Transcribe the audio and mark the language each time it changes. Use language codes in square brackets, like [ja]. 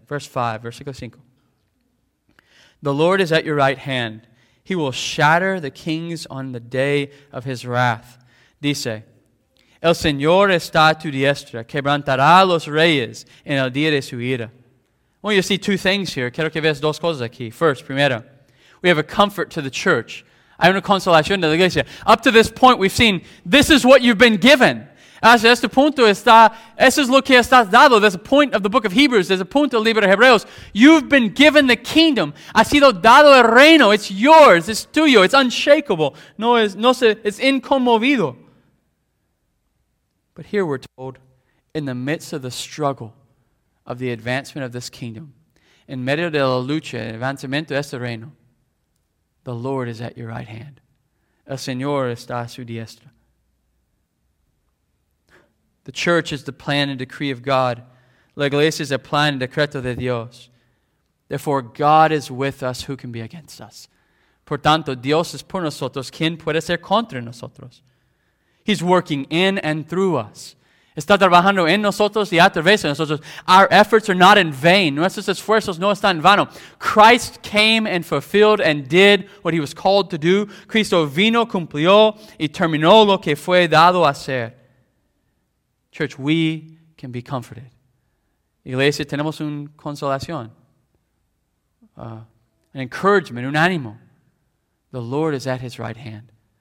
[en] Verse 5, [es] versículo 5. [en] The Lord is at your right hand. He will shatter the kings on the day of his wrath. [es] Dice, el Señor está a tu diestra, quebrantará a los reyes en el día de su ira. [en] I want you to see two things here. [es] Quiero que veas dos cosas aquí. [en] First, primero, we have a comfort to the church. [es] Hay una consolación de la iglesia. [en] Up to this point, we've seen, this is what you've been given. [es] Hasta este punto está, eso es lo que estás dado. [en] There's a point of the book of Hebrews. There's a [es] punto del libro de Hebreos. [en] You've been given the kingdom. [es] Ha sido dado el reino. [en] It's yours. It's tuyo. It's unshakable. It's inconmovido. But here we're told, in the midst of the struggle of the advancement of this kingdom, in [es] medio de la lucha, el avanzamiento de este reino, [en] the Lord is at your right hand. [es] El Señor está a su diestra. [en] The church is the plan and decree of God. [es] La iglesia es el plan y decreto de Dios. [en] Therefore, God is with us. Who can be against us? [es] Por tanto, Dios es por nosotros. ¿Quién puede ser contra nosotros? [en] He's working in and through us. [es] Está trabajando en nosotros y a través de nosotros. [en] Our efforts are not in vain. [es] Nuestros esfuerzos no están en vano. [en] Christ came and fulfilled and did what he was called to do. [es] Cristo vino, cumplió, y terminó lo que fue dado a hacer. [en] Church, we can be comforted. [es] Iglesia, tenemos una consolación. [en] An encouragement, [es] un ánimo. [en] The Lord is at his right hand.